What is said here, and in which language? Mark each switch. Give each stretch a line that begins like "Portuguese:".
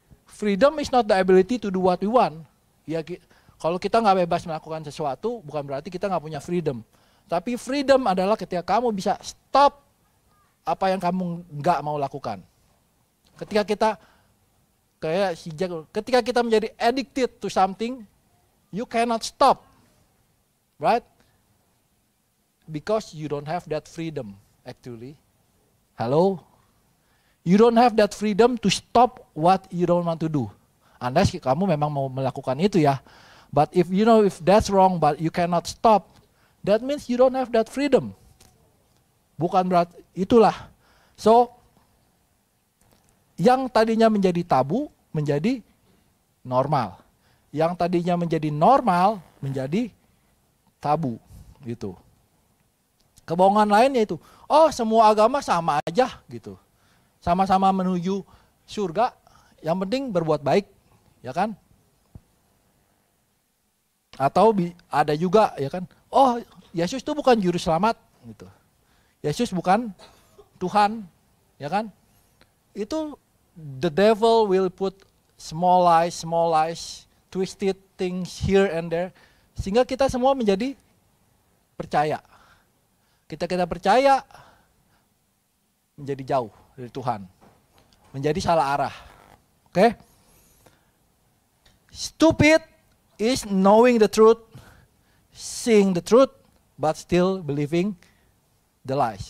English: Freedom is not the ability to do what we want.
Indonesian: Ya, kalau kita gak bebas melakukan sesuatu, bukan berarti kita gak punya freedom. Tapi freedom adalah ketika kamu bisa stop apa yang kamu gak mau lakukan. Ketika kita, kayak si Jack, ketika kita menjadi
English: addicted to something, you cannot stop, right? Because you don't have that freedom, actually. Hello? You don't have that freedom to stop what you don't want to do.
Indonesian: Unless kamu memang mau melakukan itu ya.
English: But if you know if that's wrong, but you cannot stop, that means you don't have that freedom.
Indonesian: Bukan berarti, itulah. So, yang tadinya menjadi tabu, menjadi normal. Yang tadinya menjadi normal, menjadi tabu. Gitu. Kebohongan lainnya itu, oh semua agama sama aja gitu. Sama-sama menuju surga, yang penting berbuat baik, ya kan? Atau ada juga, ya kan? Oh, Yesus itu bukan juru selamat, gitu. Yesus bukan Tuhan, ya kan?
English: Itu the devil will put small lies, twisted things here and there,
Indonesian: sehingga kita semua menjadi percaya. Kita percaya menjadi jauh dari Tuhan, menjadi salah arah.
English: Oke? Okay? Stupid is knowing the truth, seeing the truth, but still believing the lies.